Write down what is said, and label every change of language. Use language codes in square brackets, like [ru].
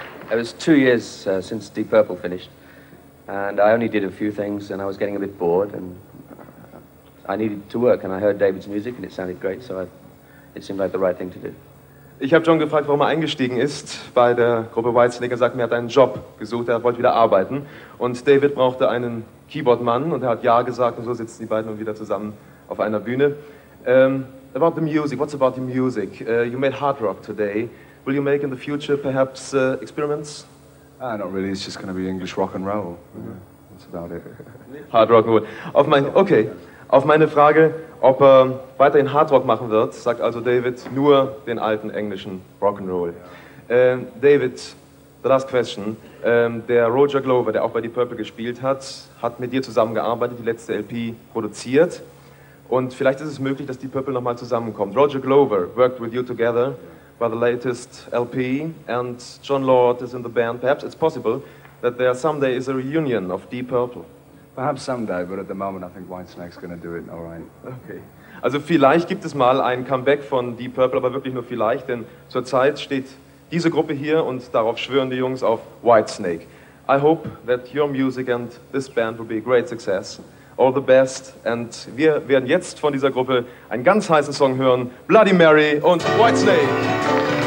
[en] It was 2 years since Deep Purple finished. And I only did a few things, and I was getting a bit bored, and I needed to work. And I heard David's music, and it sounded great, so it seemed like the right thing to do. [de] Ich habe John gefragt, warum er eingestiegen ist bei der Gruppe Whitesnake. Er sagt, er hat einen Job gesucht, er wollte wieder arbeiten. Und David brauchte einen Keyboardmann, und er hat ja gesagt, und so sitzen die beiden nun wieder zusammen auf einer Bühne. [en] About the music, what's about the music? You made hard rock today. Will you make in the future perhaps experiments? Not really, it's just going to be English rock and roll. Yeah. That's about it. Hard rock and roll. [de] Auf meine Frage, ob er weiterhin Hard Rock machen wird, sagt also David nur den alten englischen Rock and Roll. [en] David, the last question. [de] Der Roger Glover, der auch bei Deep Purple gespielt hat, hat mit dir zusammengearbeitet, die letzte LP produziert. Und vielleicht ist es möglich, dass Deep Purple nochmal zusammenkommt. [en] Roger Glover worked with you together. By the latest LP, and John Lord is in the band. Perhaps it's possible that there someday is a reunion of Deep Purple. Perhaps someday, but at the moment I think Whitesnake's going to do it, all right. Okay. [de] Also vielleicht gibt es mal ein Comeback von Deep Purple, aber wirklich nur vielleicht, denn zurzeit steht diese Gruppe hier und darauf schwören die Jungs auf Whitesnake. [en] I hope that your music and this band will be a great success. All the best, and [de] wir werden jetzt von dieser Gruppe einen ganz heißen Song hören, Bloody Mary und Whitesnake.